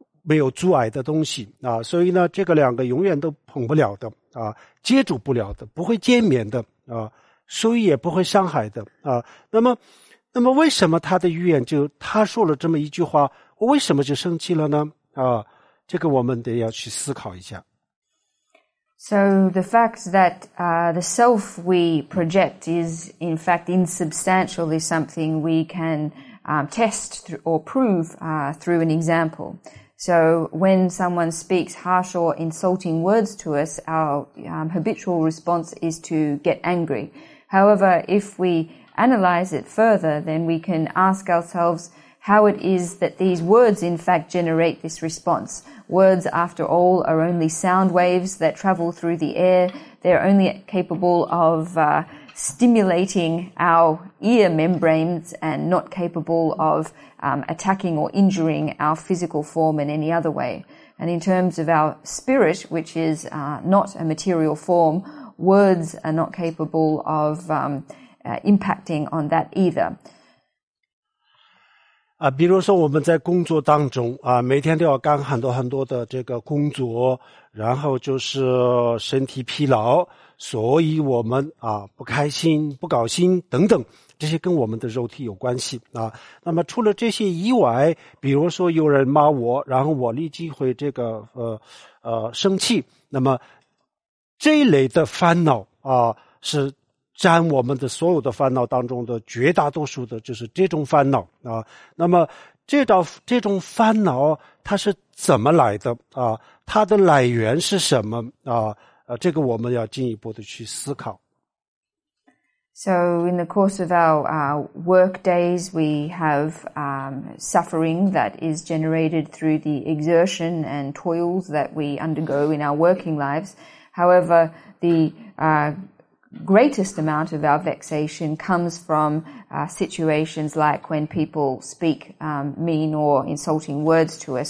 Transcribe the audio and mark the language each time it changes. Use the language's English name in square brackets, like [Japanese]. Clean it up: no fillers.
[Chinese] 没有阻碍的东西啊，所以呢，这个两个永远都碰不了的啊，接触不了的，不会见面的啊，所以也不会伤害的啊。那么为什么他的预言就他说了这么一句话，我为什么就生气了呢？啊，这个我们得要去思考一下。 [English] So the fact that the self we project is in fact insubstantial is something we can test or prove through an example. So when someone speaks harsh or insulting words to us, our habitual response is to get angry. However, if we analyze it further, then we can ask ourselves how it is that these words in fact generate this response. Words, after all, are only sound waves that travel through the air. They're only capable of stimulating our ear membranes and not capable of attacking or injuring our physical form in any other way. And in terms of our spirit, which is not a material form, words are not capable of impacting on that either. [Chinese] 比如说我们在工作当中每天都要干很多很多的这个工作，然后就是身体疲劳，所以我们不开心，不高兴等等，这些跟我们的肉体有关系那么除了这些以外，比如说有人骂我，然后我立即会这个生气，那么这一类的烦恼是占我们的所有的烦恼当中的绝大多数的，就是这种烦恼那么这种烦恼它是怎么来的它的来源是什么这个我们要进一步的去思考。 [English] So in the course of our work days, we have suffering that is generated through the exertion and toils that we undergo in our working lives. However, the greatest amount of our vexation comes from situations like when people speak mean or insulting words to us.